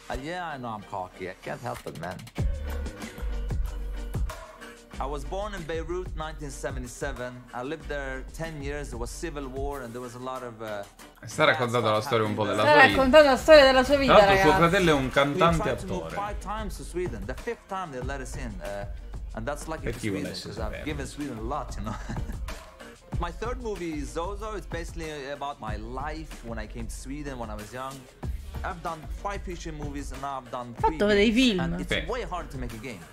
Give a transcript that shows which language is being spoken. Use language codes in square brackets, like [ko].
[en] Yeah, I know I'm cocky. I can't help it, man. I was born in Beirut 1977. I lived there 10 years. It was civil war and there was a lot of [it] sta raccontando la storia un po' della sua vita. Sta raccontando la storia della sua vita, ragazzi. Suo fratello è un cantante attore. [en] Five times to Sweden. The fifth time they let us in. And that's lucky for Sweden, because I've given Sweden a lot, you know. My third movie is Zozo. It's basically about my life when I came to Sweden when I was young. I've done five feature movies and now I've done three [it] dei film. [en] And it's okay. Way hard to make a game.